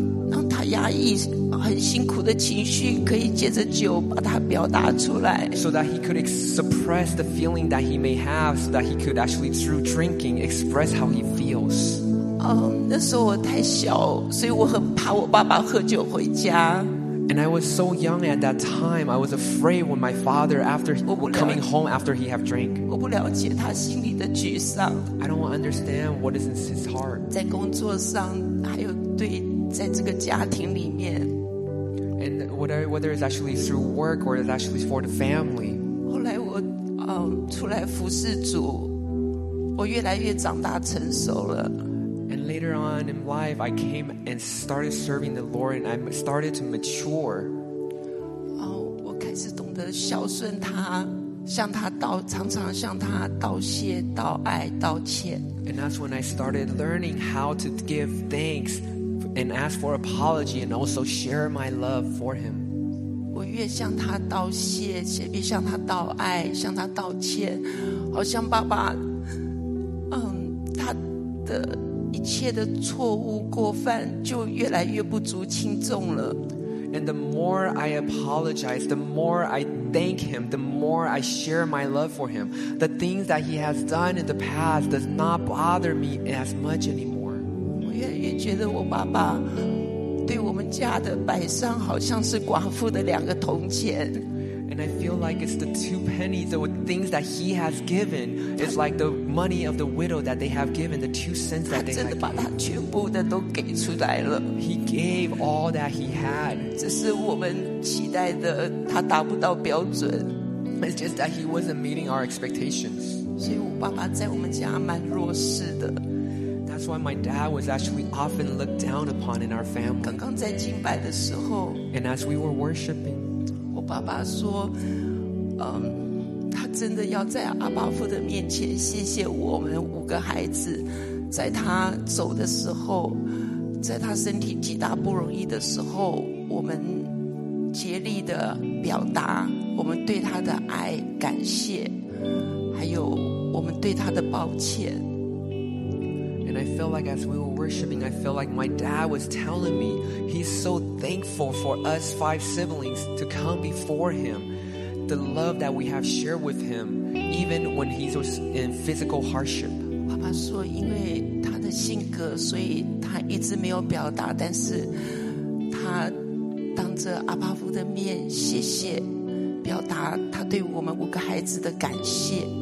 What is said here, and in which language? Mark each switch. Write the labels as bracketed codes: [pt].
[zh] 让他压抑很辛苦的情绪可以借着酒把它表达出来。 [en] So that he could suppress the feeling that he may have, so that he could actually, through drinking, express how he feels. [zh] 那时候我太小，所以我很怕我爸爸喝酒回家。 [en] And I was so young at that time, I was afraid when my father, after coming home after he had drank. [zh] 我不了解他心里的沮丧。 [en] I don't understand what is in his heart. [zh] 在工作上，还有对在这个家庭里面。 [en] And whether it's actually through work or it's actually for the family. [zh] 后来我出来服侍主，我越来越长大成熟了。 [en] And later on in life, I came and started serving the Lord, and I started to mature. [zh] 我开始懂得孝顺他，常常向他道谢、道爱、道歉。 [en] And that's when I started learning how to give thanks and ask for apology and also share my love for him. [zh] 我越向他道谢，越向他道爱，向他道歉，好像爸爸，他的。一切的错误过犯就越来越不足轻重了。 [en] And the more I apologize, the more I thank him, the more I share my love for him. The things that he has done in the past does not bother me as much anymore. [zh] 我越来越觉得我爸爸对我们家的摆上好像是寡妇的两个铜钱。 [en] And And I feel like it's the two pennies, the things that he has given. It's like the money of the widow that they have given, the 2 cents that they have given. [zh] 他真的把他全部的都给出来了。 [en] He gave all that he had. [zh] 这是我们期待的，他达不到标准。 [en] It's just that he wasn't meeting our expectations. [zh] 所以我爸爸在我们家蛮弱势的。 [en] That's why my dad was actually often looked down upon in our family. [zh] 刚刚在敬拜的时候, [en] and as we were worshiping, [zh] 我爸爸说, 他真的要在阿爸父的面前谢谢我们五个孩子，在他走的时候, 在他身体极大不容易的时候, 我们竭力地表达我们对他的爱感谢，还有我们对他的抱歉。 [en] And I feel like as we were worshiping, I feel like my dad was telling me he's so thankful for us 5 siblings to come before him. The love that we have shared with him, even when he's in physical hardship. [zh] 爸爸说因为他的性格，所以他一直没有表达，但是他当着阿爸父的面谢谢，表达他对我们五个孩子的感谢。